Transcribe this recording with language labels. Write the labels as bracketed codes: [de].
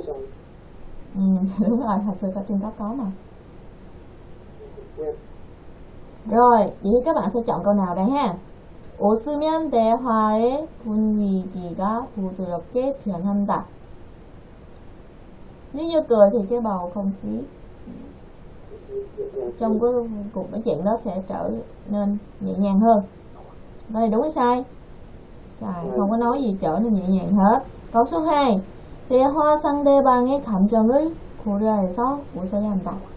[vi] xong. Ừ, đúng rồi, hồi xưa Trung Quốc có mà. Rồi, vậy các bạn sẽ chọn câu nào đây ha? [ko] 웃으면 대화의 분위기가 부드럽게 변한다. [vi] Nếu như cười thì cái bầu không khí trong cái cuộc nói chuyện đó sẽ trở nên nhẹ nhàng hơn. Câu này đúng hay sai? Sai, không có nói gì trở nên nhẹ nhàng hết. Câu số 2. [ko] 대화 상대방의 감정을 고려해서 웃어야 한다.